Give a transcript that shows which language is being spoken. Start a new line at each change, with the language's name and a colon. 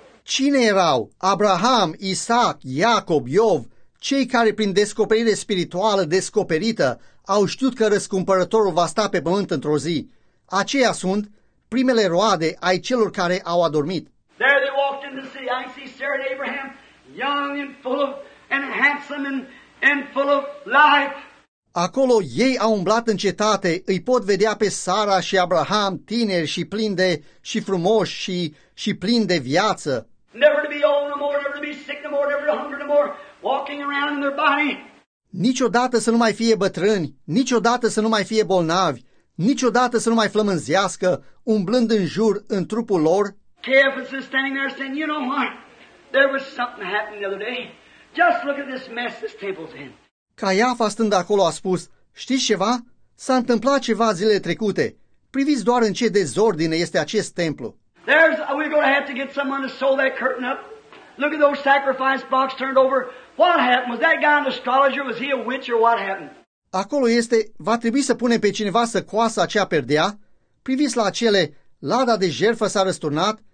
Romanian: Cine erau? Abraham, Isaac, Iacob, Iov. Cei care prin descoperire spirituală descoperită au știut că răscumpărătorul va sta pe pământ într-o zi. Aceia sunt primele roade ai celor care au adormit.
English: There they walked in the city. I see Sarah and Abraham, young and full of, and handsome and full of life.
Romanian: Acolo ei au umblat în cetate, îi pot vedea pe Sara și Abraham, tineri și plini de, și frumoși și plini de viață.
English: Never to be old no more, never to be sick no more, never to hunger no more. Walking around in their body.
Romanian: Niciodată să nu mai fie bătrâni, niciodată să nu mai fie bolnavi, niciodată să nu mai flămânzească, umblând în jur în trupul lor.
English: Caiaphas is standing there saying, you know what? There was something happened the other day. Just look at this mess this table's in.
Romanian: Caiafa stând acolo a spus, știți ceva? S-a întâmplat ceva zilele trecute. Priviți doar în ce dezordine este acest templu.
English: There's, we're going to have to get someone to sew that curtain up. Look at those sacrifice box turned over. What happened? Was that guy an astrologer? Was he a witch or what happened?
Romanian: Acolo este, va trebui să punem pe cineva să coasă acea perdea. Priviți la acele, lada de jertfă s-a răsturnat.